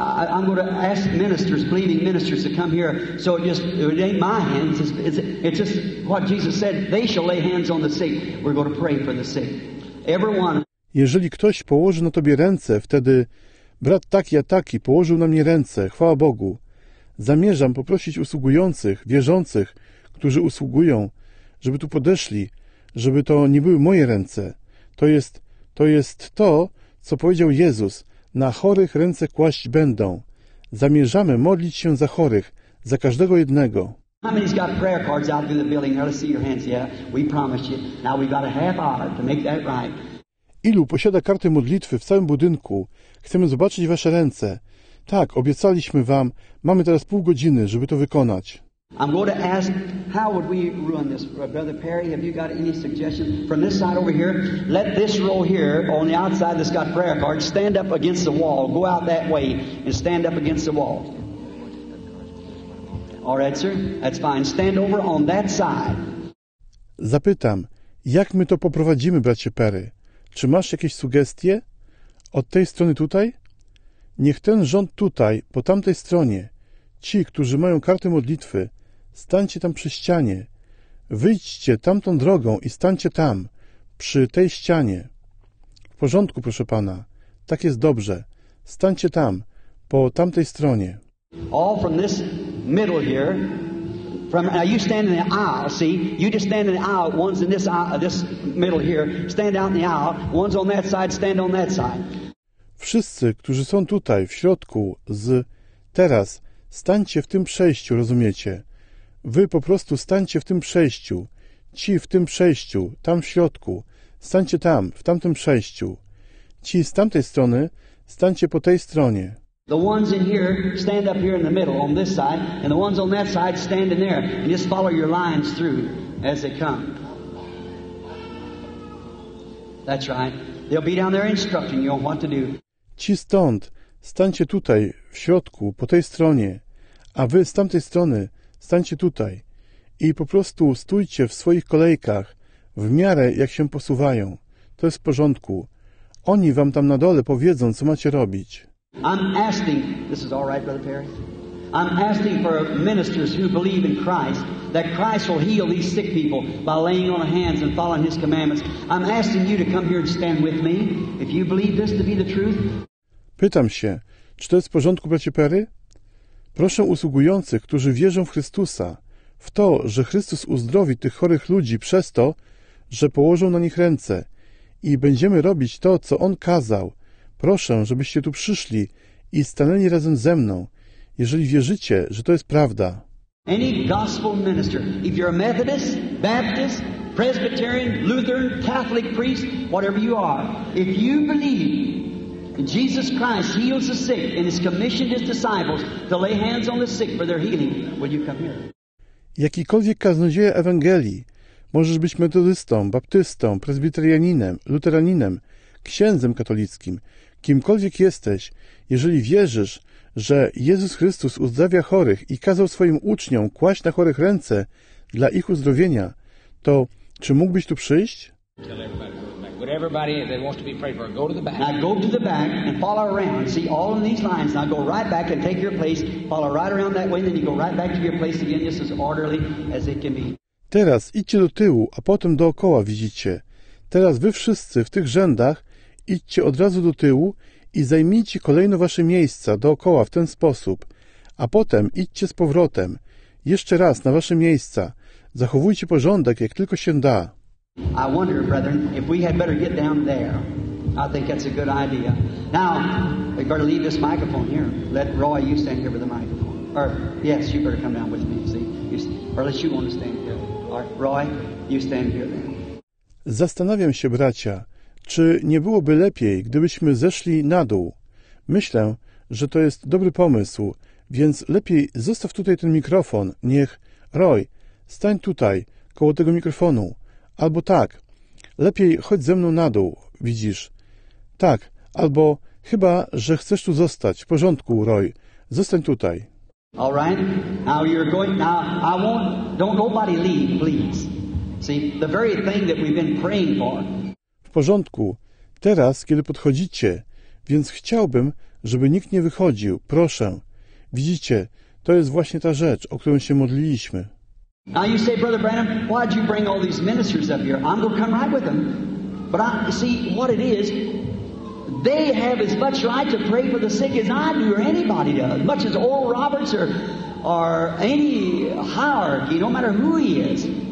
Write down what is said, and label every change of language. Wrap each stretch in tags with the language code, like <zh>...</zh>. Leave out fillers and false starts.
<en>I'm going to ask ministers, believing ministers to come here. So it ain't my hands, it's just what Jesus said, they shall lay hands on the sick. We're going to pray for the sick. Everyone.</en> <pl>Jeżeli ktoś położy na tobie ręce, wtedy brat taki a taki położył na mnie ręce, chwała Bogu. Zamierzam poprosić usługujących, wierzących, którzy usługują, żeby tu podeszli, żeby to nie były moje ręce. To jest to, co powiedział Jezus. Na chorych ręce kłaść będą. Zamierzamy modlić się za chorych, za każdego jednego.</pl> <en>How many's got prayer cards out in the building? Now, let's see your hands. Yeah, we promised you. Now we've got a half hour to make that right.</en> <pl>Ilu posiada karty modlitwy w całym budynku? Chcemy zobaczyć wasze ręce. Tak, obiecaliśmy wam. Mamy teraz pół godziny, żeby to wykonać.</pl> <en>I'm going to ask, how would we ruin this? Brother Perry, have you got any suggestion? From this side over here, let this row here on the outside that's got prayer cards stand up against the wall. Go out that way and stand up against the wall. All right, sir. That's fine. Stand over on that side.</en> <pl>Zapytam, jak my to poprowadzimy, bracie Perry? Czy masz jakieś sugestie? Od tej strony tutaj? Niech ten rząd tutaj, po tamtej stronie. Ci, którzy mają karty modlitwy, stańcie tam przy ścianie. Wyjdźcie tamtą drogą i stańcie tam. przy tej ścianie. W porządku, proszę Pana, tak jest dobrze. Stańcie tam, po tamtej stronie.</pl> <en>All from this middle here. From now, you stand in the aisle. See, you just stand in the aisle. One's in this aisle, this middle here. Stand out in the aisle. One's on that side. Stand on that side.</en> <pl>Wszyscy, którzy są tutaj w środku, z teraz, stańcie w tym przejściu. Rozumiecie? Wy po prostu stańcie w tym przejściu. Ci w tym przejściu, tam w środku, stańcie tam, w tamtym przejściu. Ci z tamtej strony, stańcie po tej stronie.</pl> <en>The ones in here stand up here in the middle on this side, and the ones on that side stand in there, and just follow your lines through as they come. That's right. They'll be down there instructing you on what to do.</en> <pl>Ci stąd, stańcie tutaj, w środku, po tej stronie, a wy z tamtej strony, stańcie tutaj. I po prostu stójcie w swoich kolejkach, w miarę jak się posuwają. To jest w porządku. Oni wam tam na dole powiedzą, co macie robić.</pl> <en>I'm asking, this is all right, Brother Perry. I'm asking for ministers who believe in Christ, that Christ will heal these sick people by laying on hands and following his commandments. I'm asking you to come here and stand with me, if you believe this to be the truth.</en> <pl>Pytam się, czy to jest w porządku, bracie Perry? Proszę usługujących, którzy wierzą w Chrystusa, w to, że Chrystus uzdrowi tych chorych ludzi przez to, że położą na nich ręce i będziemy robić to, co On kazał. Proszę, żebyście tu przyszli i stanęli razem ze mną, jeżeli wierzycie, że to jest prawda.</pl> <en>Any gospel minister, if you're a Methodist, Baptist, Presbyterian, Lutheran, Catholic priest, whatever you are, if you believe Jesus Christ heals the sick and has commissioned his disciples to lay hands on the sick for their healing, will you come here?</en> <pl>Jakikolwiek kaznodzieja Ewangelii, możesz być metodystą, baptystą, prezbiterianinem, luteraninem, księdzem katolickim, kimkolwiek jesteś, jeżeli wierzysz, że Jezus Chrystus uzdrawia chorych i kazał swoim uczniom kłaść na chorych ręce dla ich uzdrowienia, to czy mógłbyś tu przyjść?</pl> <en>Everybody that wants to be prayed for, go to the back. Now go to the back and follow around. See all in these lines. Now go right back and take your place. Follow right around that way, and then you go right back to your place again, just as orderly as it can be.</en> <pl>Teraz idźcie do tyłu, a potem dookoła widzicie. Teraz wy wszyscy w tych rzędach idźcie od razu do tyłu i zajmijcie kolejno wasze miejsca dookoła w ten sposób. A potem idźcie z powrotem. Jeszcze raz na wasze miejsca. Zachowujcie porządek, jak tylko się da.</pl> <en>I wonder, brethren, if we had better get down there. I think that's a good idea. Now, we better leave this microphone here. Let Roy, you stand here with the microphone. Or, yes, you better come down with me, see. You or unless you want to stand here. Or, Roy, you stand here then.</en> <pl>Zastanawiam się, bracia, czy nie byłoby lepiej, gdybyśmy zeszli na dół. Myślę, że to jest dobry pomysł, więc lepiej zostaw tutaj ten mikrofon. Niech, Roy, stań tutaj, koło tego mikrofonu. Albo tak, lepiej chodź ze mną na dół, widzisz. Tak, albo chyba, że chcesz tu zostać. W porządku, Roy, zostań tutaj.</pl> <en>All right, now you're going, now I won't, don't nobody leave, please. See, the very thing that we've been praying for.</en> <pl>W porządku, teraz, kiedy podchodzicie, więc chciałbym, żeby nikt nie wychodził, proszę. Widzicie, to jest właśnie ta rzecz, o którą się modliliśmy.</pl> <en>Now you say, Brother Branham, why'd you bring all these ministers up here? I'm going to come right with them. But I see what it is. They have as much right to pray for the sick as I do or anybody does. Much as Oral Roberts or any hierarchy, no matter who he is.</en>